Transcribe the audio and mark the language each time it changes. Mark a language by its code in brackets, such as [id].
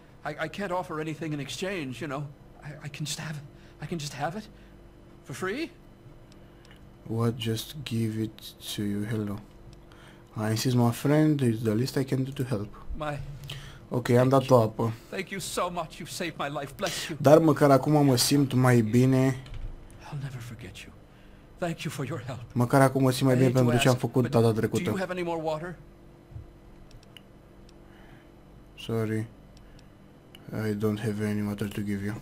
[en] I can't offer anything in exchange, you know. I can just have it. For free? What, just give it to you, hello. This is my friend, this is the least I can do to help. My... [ro] Okay, am dat o apă. [en] Thank you so much, you've saved my life, bless you. [ro] Dar măcar acum mă simt mai bine. [en] I'll never forget you. Thank you for your help. [ro] Măcar acum mă simt mai bine pentru ce am făcut data trecută. [en] Do you have any more water? Sorry. I don't have any water to give you.